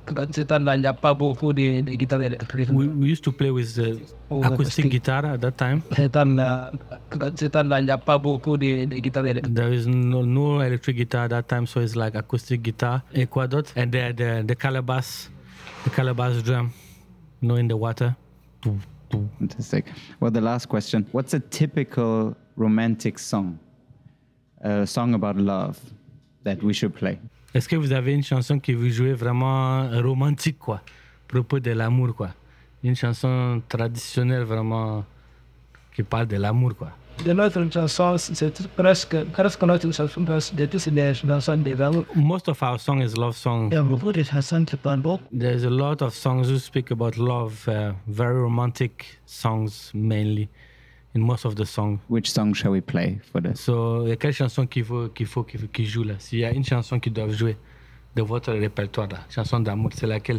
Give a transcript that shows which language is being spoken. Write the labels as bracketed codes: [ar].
[fr] Ce temps-là, il n'y a pas beaucoup de guitares électriques. [en] We used to play with acoustic guitar at that time. [fr] Ce temps-là, il n'y a pas beaucoup de guitares électriques. [en] There is no electric guitar at that time, so it's like acoustic guitar. [fr] Et quoi d'autre? [en] And the calabas drum, you know, in the water. Fantastic. Well, the last question. What's a typical romantic song? A song about love that we should play. [fr] Est-ce que vous avez une chanson que vous jouez vraiment romantique, quoi? À propos de l'amour, quoi? Une chanson traditionnelle vraiment qui parle de l'amour, quoi? De notre chanson, c'est presque notre chanson, de toutes les chansons de l'amour. [en] Most of our song is love song. [fr] Il y a beaucoup de chansons qui parlent d'amour. [en] There's a lot of songs who speak about love, very romantic songs mainly, in most of the songs. Which song shall we play for this? [fr] So, il y a quelle chanson qu'il faut joue là? S'il y a une chanson qu'ils doivent jouer de votre répertoire, la chanson d'amour, c'est laquelle?